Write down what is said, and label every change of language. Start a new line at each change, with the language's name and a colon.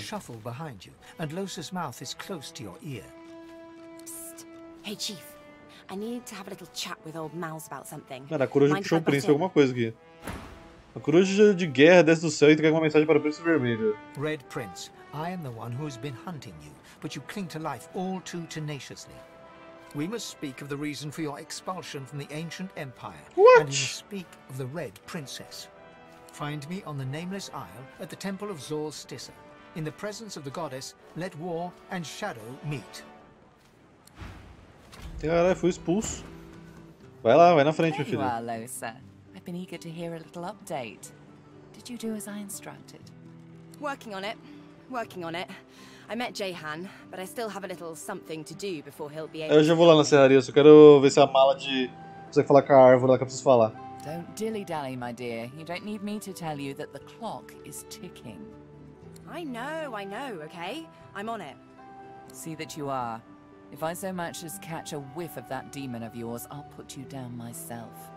English: Shuffle behind you, and Losa's mouth is close to your ear. Psst. Hey, chief. I need to have a little chat with old Mal's about something.
Portuguese: Mano, a coruja puxou o príncipe alguma coisa aqui. A coruja de guerra desce do céu e entrega uma mensagem para o príncipe vermelho.
English: Red Prince, I am the one who has been hunting you, but you cling to life all too tenaciously. We must speak of the reason for your expulsion from the ancient empire. What? And we must speak of the Red Princess. Find me on the Nameless Isle at the Temple of Zor Stissa. In the presence of the goddess, let war and shadow meet.
Portuguese: Cara, fui expulso. Vai lá, vai na frente, meu filho.
English: Hello,
Portuguese: Losa.
English: I've been eager to hear a little update. Did you do as I instructed? Working on it. Working on it. I met Jahan, but I still have a little something to do before he'll be able.
Portuguese: Eu já vou lá na serraria, só quero ver se a mala de você falar com a árvore lá que eu preciso falar.
English: Don't dilly-dally, my dear. You don't need me to tell you that the clock is ticking. I know, okay? I'm on it. See that you are. If I so much as catch a whiff of that demon of yours, I'll put you down myself.